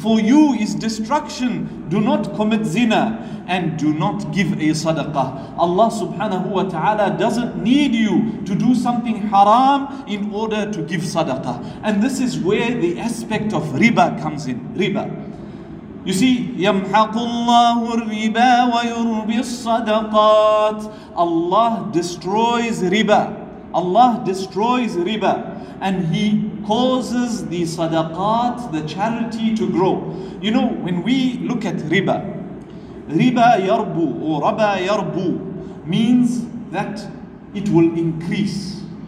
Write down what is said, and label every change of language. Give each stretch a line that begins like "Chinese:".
English: For you is destruction. Do not commit zina and do not give a sadaqah. Allah subhanahu wa ta'ala doesn't need you to do something haram in order to give sadaqah. And this is where the aspect of riba comes in. Riba. You see,
Arabic: يَمْحَقُ اللَّهُ الرِّبَى وَيُرْبِي الصَّدَقَاتِ.
English: Allah destroys riba. Allah destroys riba. And He causes the sadaqat, the charity to grow. You know, when we look at riba, riba yarbu or raba yarbu means that it will increase.